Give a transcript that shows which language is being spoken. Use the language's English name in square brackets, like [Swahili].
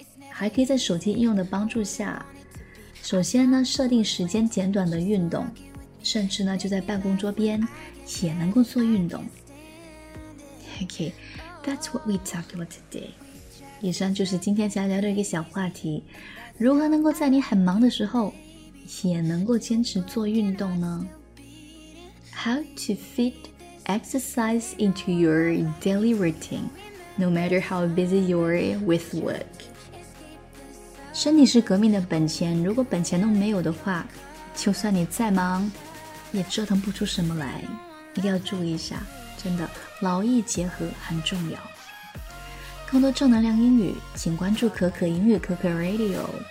[Chinese] 还可以在手机应用的帮助下，首先呢设定时间简短的运动，甚至呢就在办公桌边也能够做运动。 [English] OK, that's what we talk about today. [Chinese] 以上就是今天想要聊的一个小话题，如何能够在你很忙的时候也能够坚持做运动呢？ [English] How to fit exercise into your daily routine no matter how busy you are with work. [Chinese] 身体是革命的本钱，如果本钱都没有的话，就算你再忙也折腾不出什么来。一定要注意一下，真的劳逸结合很重要。更多正能量英语请关注可可英语可可 Radio。